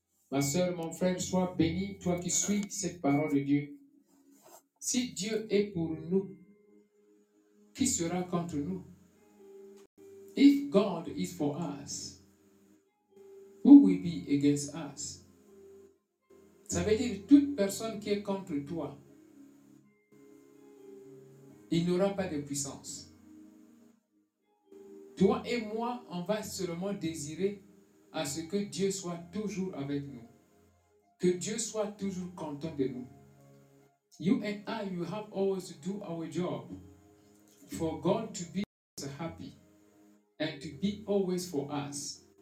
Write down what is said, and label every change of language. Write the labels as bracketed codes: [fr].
[fr] Ma soeur, mon frère, sois béni, toi qui suis cette parole de Dieu. Si Dieu est pour nous, qui sera contre nous? [en] If God is for us, who will be against us? [fr] Ça veut dire toute personne qui est contre toi, il n'aura pas de puissance. Toi et moi, on va seulement désirer à ce que Dieu soit toujours avec nous. Que Dieu soit toujours content de nous. [en] You and I, you have always to do our job for God to be always happy and to be always for us.